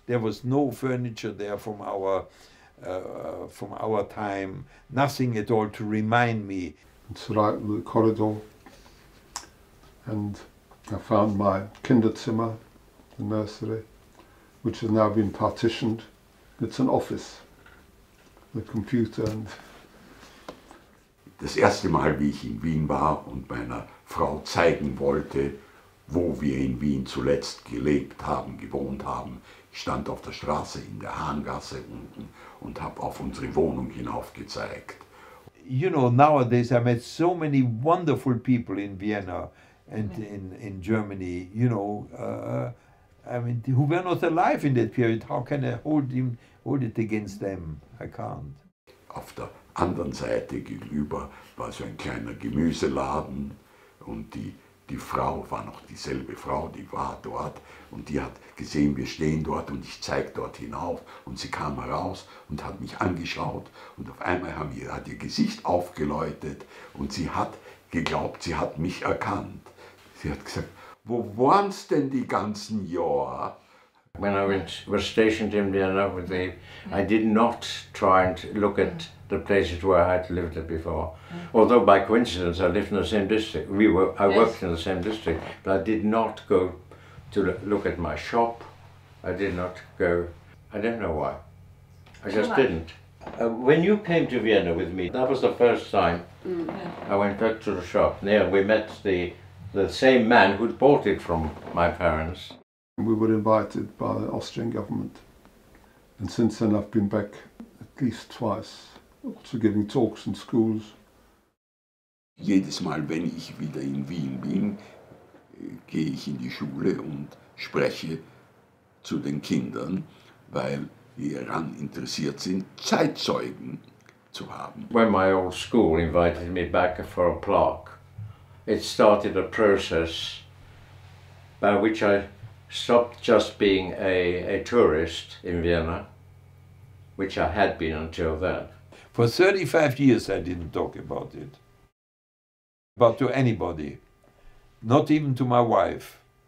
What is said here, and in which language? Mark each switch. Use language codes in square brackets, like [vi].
[en] There was no furniture there from our time, nothing at all to remind me. So right in the corridor, and I found my Kinderzimmer, the nursery, which has now been partitioned. It's an office, the computer. And [de] das erste Mal, wie ich in Wien war und meiner Frau zeigen wollte, wo wir in Wien zuletzt gelebt haben, gewohnt haben, ich stand auf der Straße in der Hahngasse unten und habe auf unsere Wohnung hinauf gezeigt. [en] You know, nowadays I met so many wonderful people in Vienna and in Germany, you know, who were not alive in that period. How can I hold it against them? I can't. [de] Auf der anderen Seite gegenüber war so ein kleiner Gemüseladen und die Frau war noch dieselbe Frau, die war dort und die hat gesehen, wir stehen dort und ich zeig dort hinauf und sie kam heraus und hat mich angeschaut und auf einmal hat ihr Gesicht aufgeläutet und sie hat geglaubt, sie hat mich erkannt. Sie hat gesagt, wo waren's denn die ganzen Jahre? [en] When I was stationed in Vienna with them, I did not try and look at the places where I had lived before. Although by coincidence I lived in the same district, I worked in the same district, but I did not go to look at my shop. I did not go, I don't know why. I just didn't. When you came to Vienna with me, that was the first time I went back to the shop. There we met the same man who'd bought it from my parents. We were invited by the Austrian government. And since then I've been back at least twice, also giving talks in schools. [de] Jedes Mal, wenn ich wieder in Wien bin, gehe ich in die Schule und spreche zu den Kindern, weil die daran interessiert sind, Zeitzeugen zu haben. [en] When my old school invited me back for a plaque, it started a process by which I stopped just being a tourist in Vienna, which I had been until then. For 35 years I didn't talk about it, but to anybody, not even to my wife.